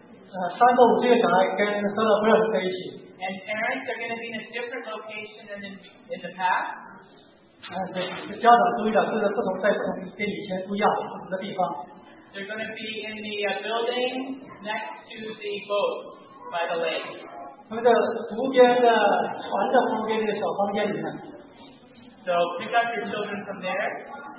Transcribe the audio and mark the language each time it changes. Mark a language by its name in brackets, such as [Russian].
[Chinese] 3到5岁小孩跟 Sarah Beth 在一起。 [English] And parents are going to be in a different location than in the past. [Chinese] 对，家长注意了，这个不同在同跟以前不一样，不同的地方。 [English] They're going to be in the building next to the boat by the lake. [Chinese] 他们在湖边的船的旁边那个小房间里面。 [English] So pick up your children from there.